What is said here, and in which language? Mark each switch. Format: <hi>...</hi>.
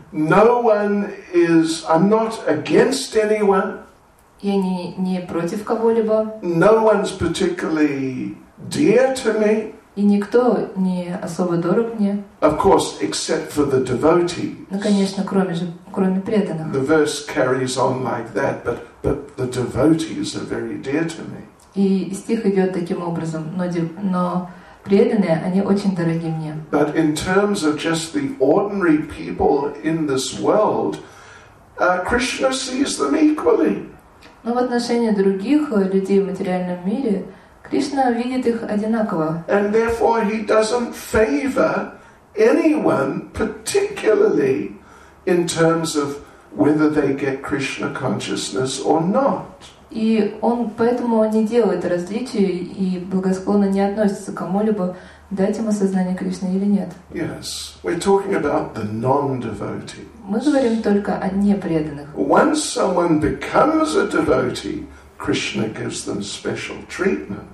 <en>No one is, I'm not against anyone.</en> <ru>Я не против кого-либо.</ru> <en>No one's particularly dear to me.</en> <ru>И никто не особо дорог мне.</ru> <en>Of course, except for the devotees.</en> <ru>Ну, конечно, кроме преданных.</ru> <en>The verse carries on like that, but the devotees are very dear to me.</en> <ru>И стих идет таким образом, но преданные, они очень дороги мне.</ru> <en>But in terms of just the ordinary people in this world, Krishna sees them equally.</en> <ru>Но в отношении других людей в материальном мире Кришна видит их одинаково.</ru> <en>And therefore he doesn't favor anyone particularly in terms of whether they get Krishna consciousness or not.</en> <ru>И он поэтому не делает различий и благосклонно не относится к кому-либо, дать ему сознание Кришны или нет.</ru> <en>Yes, we're talking about the non-devotees.</en> <ru>Мы говорим только о непреданных.</ru> <en>Once someone becomes a devotee, Krishna gives them special treatment.</en>